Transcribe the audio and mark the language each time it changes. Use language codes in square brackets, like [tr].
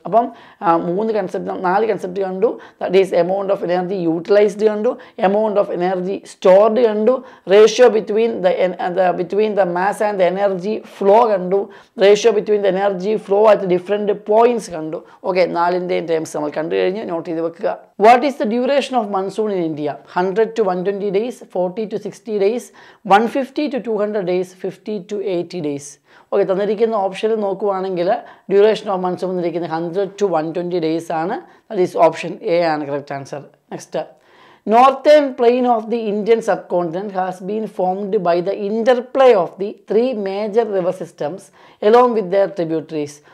[ml] അപ്പം നാല് കൺസെപ്റ്റ് കണ്ടു. [en] That is amount of energy utilised കണ്ടു, amount of energy stored കണ്ടു, ratio between between the mass and the energy flow കണ്ടു, ratio between the energy flow at different points കണ്ടു. [ml] Okay, നാലിൻ്റെയും terms നമ്മൾ കണ്ടു കഴിഞ്ഞ് നോട്ട് ചെയ്ത് വെക്കുക. [en] What is the duration of monsoon in India? 100 to 120 days, 40 to 60 days, 150 to 200 days, 50 to 80 days. [ml] Okay, തന്നിരിക്കുന്ന ഓപ്ഷനിൽ നോക്കുവാണെങ്കിൽ duration of monsoon എന്നിരിക്കുന്നത് [en] 100 to 120 days [ml] ആണ്. [en] That is option A ആണ് correct answer. Next, northern plain of the Indian subcontinent has been formed by the interplay of the 3 major river systems along with their tributaries.